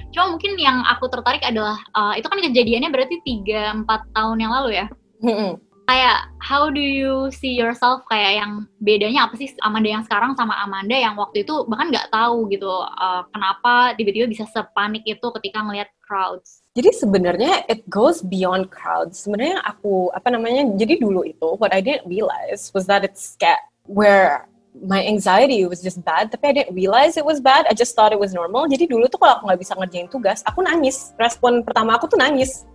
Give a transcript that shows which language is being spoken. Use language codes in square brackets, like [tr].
[id] Cuma mungkin yang aku tertarik adalah, itu kan kejadiannya berarti 3-4 tahun yang lalu ya? Kayak, [en] how do you see yourself, [id] kayak yang bedanya apa sih Amanda yang sekarang sama Amanda yang waktu itu bahkan gak tahu gitu, kenapa tiba-tiba bisa sepanik itu ketika ngelihat crowds? Jadi sebenarnya [en] it goes beyond crowds. [id] Sebenarnya aku, jadi dulu itu, [en] what I didn't realize was that it's scared. Where my anxiety was just bad, tapi I didn't realize it was bad, I just thought it was normal. [id] Jadi dulu tuh kalau aku gak bisa ngerjain tugas, aku nangis. Respon pertama aku tuh nangis.